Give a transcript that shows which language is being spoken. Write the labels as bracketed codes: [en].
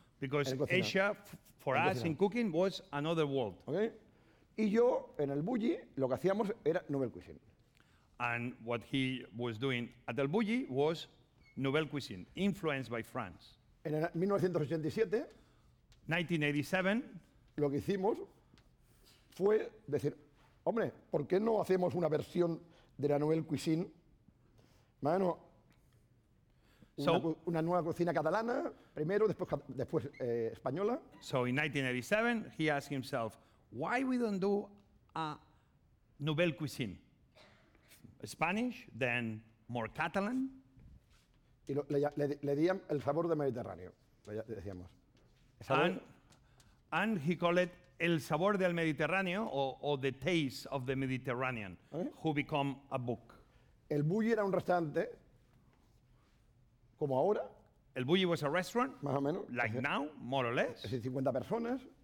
[en] Because Asia, for [es] en [en] us [es] cocina. [en] In cooking, was another world. [es] Okay. Y yo, en el bulli, lo que hacíamos era nouvelle cuisine. [en] And what he was doing at el bulli was nouvelle cuisine, influenced by France. [es] En 1987, 1987, lo que hicimos fue decir, hombre, ¿por qué no hacemos una versión de la nouvelle cuisine Bueno, una nueva cocina catalana, primero, después española. [en] So in 1987, he asked himself, why we don't do a nouvelle cuisine? Spanish, then more Catalan. [es] Y le di el sabor de Mediterráneo, decíamos. [en] And he called it [es] el sabor del Mediterráneo, [en] or the taste of the Mediterranean, who become a book. [es] El bulli era un restaurante, como ahora. [en] El bulli was a restaurant, [es] más o menos, [en] like es, now, more or less. [es] 50 personas.